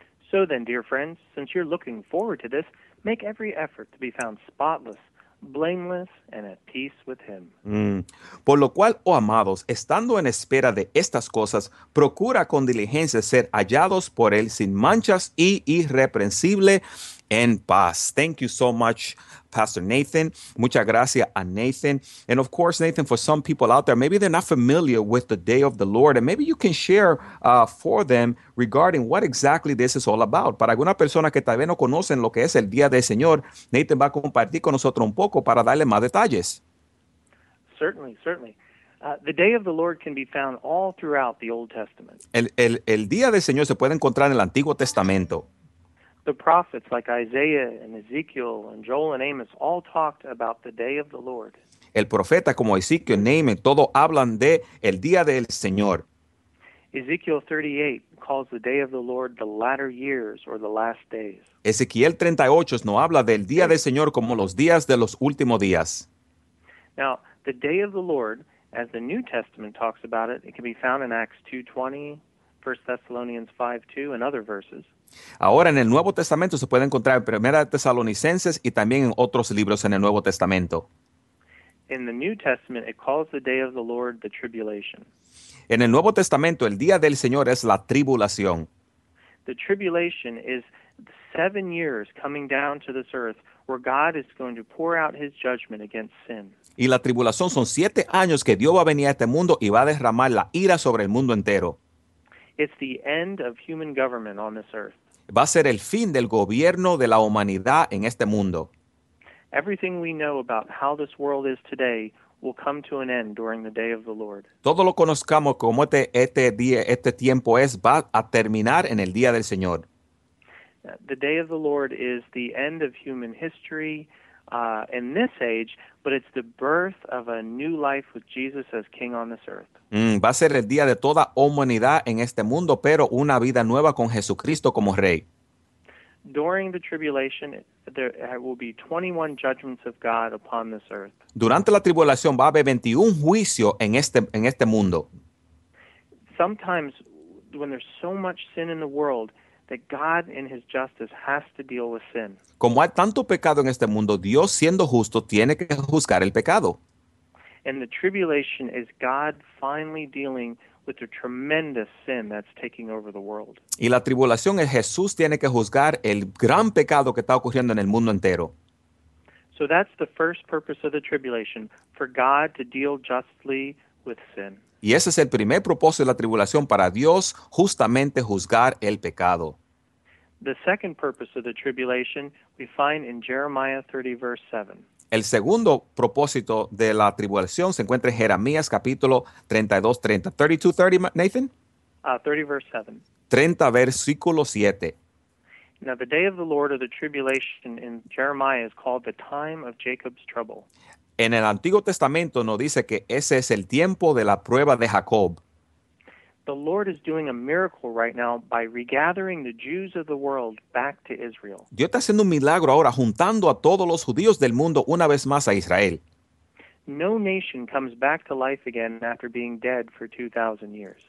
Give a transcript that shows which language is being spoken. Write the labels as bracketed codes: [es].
[en] So then, dear friends, since you're looking forward to this, make every effort to be found spotless, blameless, and at peace with him. [es] Por lo cual, oh amados, estando en espera de estas cosas, procura con diligencia ser hallados por él sin manchas y irreprensible en paz. [en] Thank you so much, Pastor Nathan. [es] Muchas gracias a Nathan. [en] And of course, Nathan, for some people out there, maybe they're not familiar with the day of the Lord, and maybe you can share for them regarding what exactly this is all about. [es] Para alguna persona que tal vez no conocen lo que es el día del Señor, Nathan va a compartir con nosotros un poco para darle más detalles. [en] Certainly, certainly. The day of the Lord can be found all throughout the Old Testament. [es] El día del Señor se puede encontrar en el Antiguo Testamento. [en] The prophets like Isaiah and Ezekiel and Joel and Amos all talked about the day of the Lord. [es] El profeta como Ezekiel y Amos todos hablan de el día del Señor. [en] Ezekiel 38 calls the day of the Lord the latter years or the last days. [es] Ezequiel 38 no habla del día del Señor como los días de los últimos días. [en] Now, the day of the Lord, as the New Testament talks about it, it can be found in Acts 2:20, 1 Thessalonians 5:2, and other verses. [es] Ahora en el Nuevo Testamento se puede encontrar en Primera de Tesalonicenses y también en otros libros en el Nuevo Testamento. [en] In the New Testament, it calls the day of the Lord the tribulation. [es] En el Nuevo Testamento, el día del Señor es la tribulación. [en] The tribulation is 7 years coming down to this earth where God is going to pour out his judgment against sin. [es] Y la tribulación son 7 años que Dios va a venir a este mundo y va a derramar la ira sobre el mundo entero. [en] It's the end of human government on this earth. [es] Va a ser el fin del gobierno de la humanidad en este mundo. [en] Everything we know about how this world is today will come to an end during the day of the Lord. [es] Todo lo conozcamos como este día, este tiempo es, va a terminar en el día del Señor. [en] The day of the Lord is the end of human history in this age, but it's the birth of a new life with Jesus as King on this earth. [es] Va a ser el día de toda humanidad en este mundo, pero una vida nueva con Jesucristo como Rey. [en] During the tribulation, there will be 21 judgments of God upon this earth. [es] Durante la tribulación va a haber 21 juicios en este mundo. [en] Sometimes, when there's so much sin in the world, that God in his justice has to deal with sin. [es] Como hay tanto pecado en este mundo, Dios siendo justo tiene que juzgar el pecado. [en] And the tribulation is God finally dealing with the tremendous sin that's taking over the world. [es] Y la tribulación es Jesús tiene que juzgar el gran pecado que está ocurriendo en el mundo entero. [en] So that's the first purpose of the tribulation, for God to deal justly with sin. [es] Y ese es el primer propósito de la tribulación, para Dios justamente juzgar el pecado. [en] The second purpose of the tribulation we find in Jeremiah 30, verse 7. [es] El segundo propósito de la tribulación se encuentra en Jeremías capítulo 32:30. [en] 32:30, Nathan? 30:7. Now the day of the Lord or the tribulation in Jeremiah is called the time of Jacob's trouble. [es] En el Antiguo Testamento nos dice que ese es el tiempo de la prueba de Jacob. [en] The Lord is doing a miracle right now by regathering the Jews of the world back to Israel. [es] Dios está haciendo un milagro ahora juntando a todos los judíos del mundo una vez más a Israel. [en] No nation comes back to life again after being dead for 2,000 years.